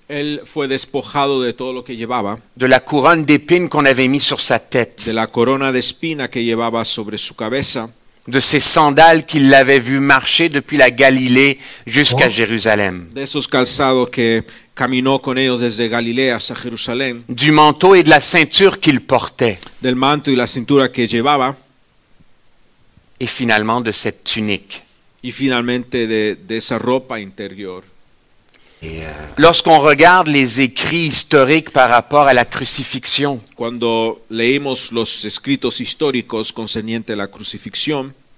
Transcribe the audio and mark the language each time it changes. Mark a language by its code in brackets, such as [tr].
[es] Él fue despojado de todo lo que llevaba. [fr] De la couronne d'épines qu'on avait mis sur sa tête. [es] De la corona de espina que llevaba sobre su cabeza. [fr] De ses sandales qu'il l'avait vu marcher depuis la Galilée jusqu'à Jérusalem. [es] De esos calzados que caminó con ellos desde Galilea hasta Jerusalén. [fr] Du manteau et de la ceinture qu'il portait. [es] Del manto y la cintura que llevaba. [fr] Et finalement de cette tunique. [es] Y finalmente de esa ropa interior. [fr] Lorsqu'on regarde les écrits historiques par rapport à la crucifixion, [es] cuando leímos los escritos históricos concernientes a la crucifixión,